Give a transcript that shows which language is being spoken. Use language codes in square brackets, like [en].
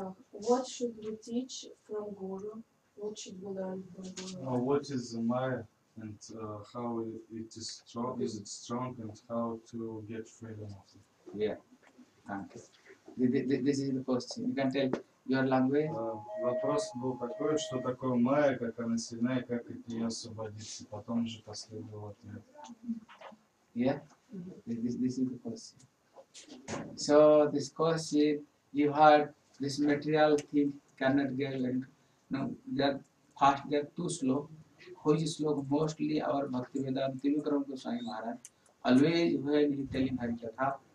[en] What should we teach from Guru? What should we learn from Guru? What is the Maya and how it is strong? Is it strong and how to get freedom of it? Yeah. Thank you. This is the question. You can tell your language. [ru] Вопрос был такой, что такое майя, как она сильна и как от нее освободиться. Потом же последовал ответ. [en] Yeah. This is the question. So this question you heard, this material thing cannot get learned. No, that fast, that too slow. Which slow? Mostly our Bhakti Vedanta Tirukram Goswami Maharaj. Always when he telling Hari Katha.